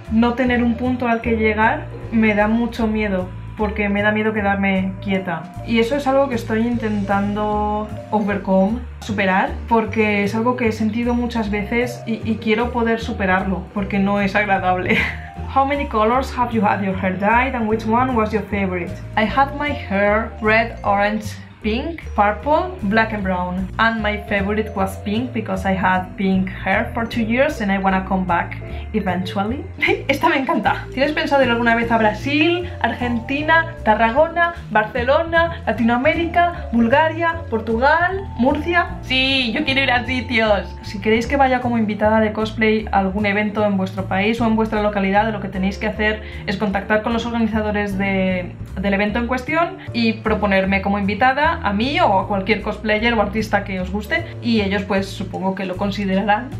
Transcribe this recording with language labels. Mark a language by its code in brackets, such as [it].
[es] No tener un punto al que llegar me da mucho miedo, porque me da miedo quedarme quieta. Y eso es algo que estoy intentando [en] overcome, [es] superar, porque es algo que he sentido muchas veces y quiero poder superarlo, porque no es agradable. [en] How many colors have you had your hair dyed and which one was your favorite? I had my hair red, orange, pink, purple, black and brown. And my favorite was pink because I had pink hair for 2 years and I wanna come back [es] eventually. Esta me encanta. ¿Tienes pensado ir alguna vez a Brasil, Argentina, Tarragona, Barcelona, Latinoamérica, Bulgaria, Portugal, Murcia? Sí, yo quiero ir a sitios. Si queréis que vaya como invitada de cosplay a algún evento en vuestro país o en vuestra localidad, lo que tenéis que hacer es contactar con los organizadores del evento en cuestión y proponerme como invitada a mí o a cualquier cosplayer o artista que os guste, y ellos pues supongo que lo considerarán.